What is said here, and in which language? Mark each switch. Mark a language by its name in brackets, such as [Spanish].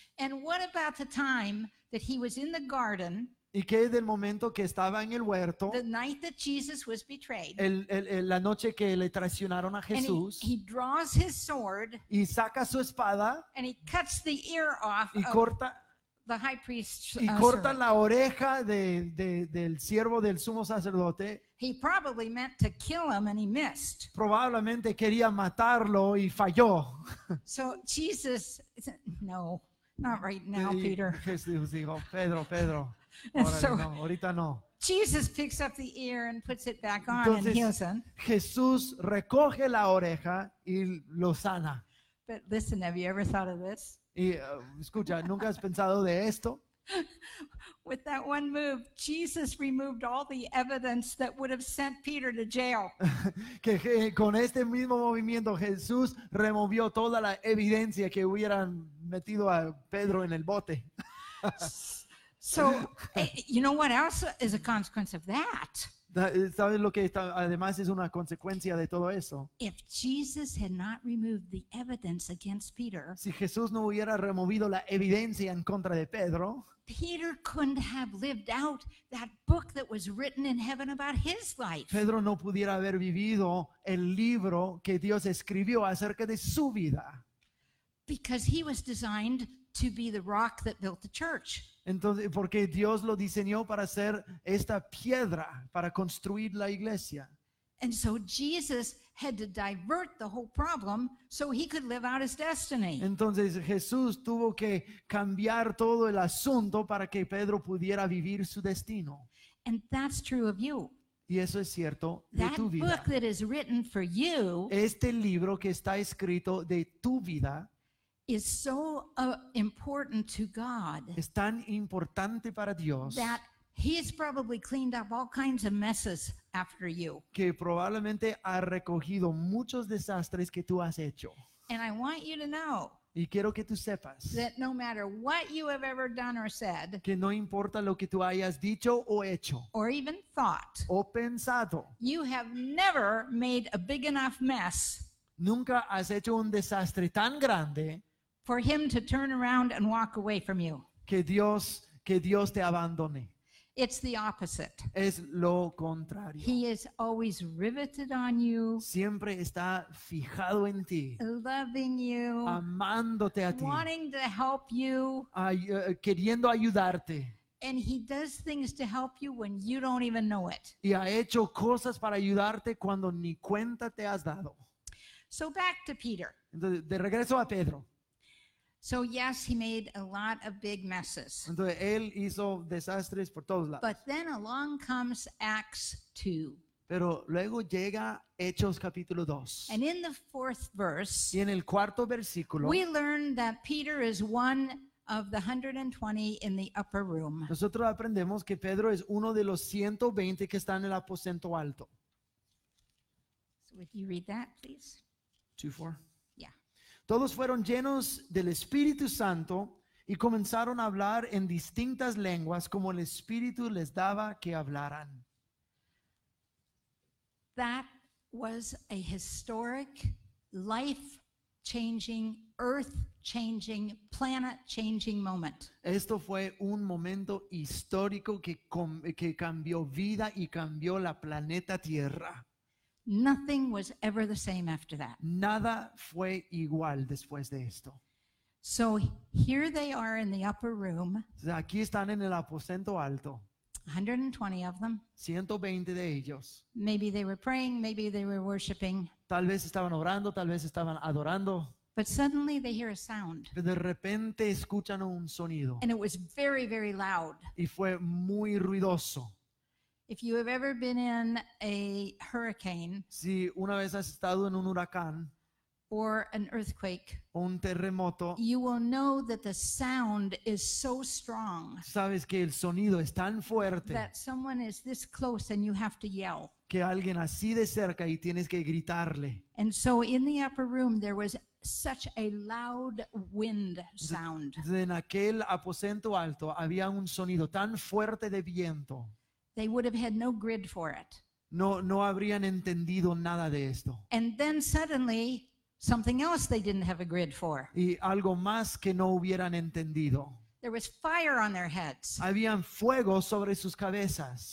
[English] And what about the time that he was in the garden? [Spanish] ¿Y qué del momento que estaba en el huerto? [English] The night that Jesus was betrayed. [Spanish] La noche que le traicionaron a Jesús. [English] And he draws his sword. [Spanish] Y saca su espada. [English] And he cuts the ear off. [Spanish] Y corta [English] the high priest's [Spanish] servant. Y corta la oreja del siervo del sumo sacerdote. [English] He probably meant to kill him and he missed. [Spanish] Probablemente quería matarlo y falló. [English] So Jesus said, no, not right now, Peter. [Spanish] Jesús dijo, Pedro. Órale, so, no, ahorita no. [English] Jesus picks up the ear and puts it back on. Entonces, and heals him. [Spanish] Jesús recoge la oreja y lo sana. [English] But listen, have you ever thought of this? [Spanish] Y escucha, ¿nunca has pensado de esto? [English] With that one move, Jesus removed all the evidence that would have sent Peter to jail. [Spanish] Que con este mismo movimiento Jesús removió toda la evidencia que hubieran metido a Pedro en el bote. [English] So, you know what else is a consequence of that? [Spanish] ¿Sabes lo que está, además es una consecuencia de todo eso? [English] If Jesus had not removed the evidence against Peter, [Spanish] si Jesús no hubiera removido la evidencia en contra de Pedro, [English] Peter couldn't have lived out that book that was written in heaven about his life. [Spanish] Pedro no pudiera haber vivido el libro que Dios escribió acerca de su vida. [English] Because he was designed to be the rock that built the church. [Spanish] Entonces, porque Dios lo diseñó para ser esta piedra para construir la iglesia. [English] And so Jesus had to divert the whole problem so he could live out his destiny. [Spanish] Entonces Jesús tuvo que cambiar todo el asunto para que Pedro pudiera vivir su destino. [English] And that's true of you. [Spanish] Y eso es cierto de [English] that [Spanish] tu vida. [English] Book that is written for you, [Spanish] este libro que está escrito de tu vida, [English] is so important to God. [Spanish] Es tan importante para Dios. [English] That he's probably cleaned up all kinds of messes after you. [Spanish] Que probablemente ha recogido muchos desastres que tú has hecho. [English] And I want you to know. [Spanish] Y quiero que tú sepas. [English] That no matter what you have ever done or said. [Spanish] Que no importa lo que tú hayas dicho o hecho. [English] Or even thought. [Spanish] O pensado. [English] You have never made a big enough mess. [Spanish] Nunca has hecho un desastre tan grande. [English] For him to turn around and walk away from you. [Spanish] Que Dios te abandone. [English] It's the opposite. [Spanish] Es lo contrario. [English] He is always riveted on you. [Spanish] Siempre está fijado en ti. [English] Loving you. [Spanish] Amándote a ti. [English] Wanting to help you. [Spanish] Queriendo ayudarte. [English] And he does things to help you when you don't even know it. [Spanish] Y ha hecho cosas para ayudarte cuando ni cuenta te has dado. [English] So back to Peter. [Spanish] De regreso a Pedro. [English] So yes, he made a lot of big messes. [Spanish] Entonces, él hizo desastres por todos lados. [English] But then along comes Acts 2. [Spanish] Pero luego llega Hechos capítulo 2. [English] And in the fourth verse, [Spanish] y en el cuarto versículo, [English] we learn that Peter is one of the 120 in the upper room. [Spanish] Nosotros aprendemos que Pedro es uno de los 120 que están en el aposento alto. [English] So would you read that, please? 2:4. [Spanish] Todos fueron llenos del Espíritu Santo y comenzaron a hablar en distintas lenguas como el Espíritu les daba que hablaran. [English] That was a historic, life-changing, earth-changing, planet-changing moment. [Spanish] Esto fue un momento histórico que cambió vida y cambió la planeta Tierra. [English] Nothing was ever the same after that. [Spanish] Nada fue igual después de esto. [English] So here they are in the upper room. [Spanish] Aquí están en el aposento alto. [English] 120 of them. [Spanish] 120 de ellos. [English] Maybe they were praying, maybe they were worshiping. [Spanish] Tal vez estaban orando, tal vez estaban adorando. [English] But suddenly they hear a sound. [Spanish] Pero de repente escuchan un sonido. [English] And it was very, very loud. [Spanish] Y fue muy ruidoso. [English] If you have ever been in a hurricane, [Spanish] si una vez has estado en un huracán, [English] or an earthquake, [Spanish] o un terremoto, [English] you will know that the sound is so strong. [Spanish] Sabes que el sonido es tan fuerte [English] that someone is this close and you have to yell. [Spanish] Que alguien así de cerca y tienes que gritarle. [English] And so in the upper room there was such a loud wind sound. [Spanish] En aquel aposento alto había un sonido tan fuerte de viento. [English] They would have had no grid for it. [Spanish] No habrían entendido nada de esto. [English] And then suddenly Something else they didn't have a grid for. [Spanish] Y algo más que no hubieran entendido. [English] There was fire on their heads. [Spanish] Habían fuego sobre sus cabezas.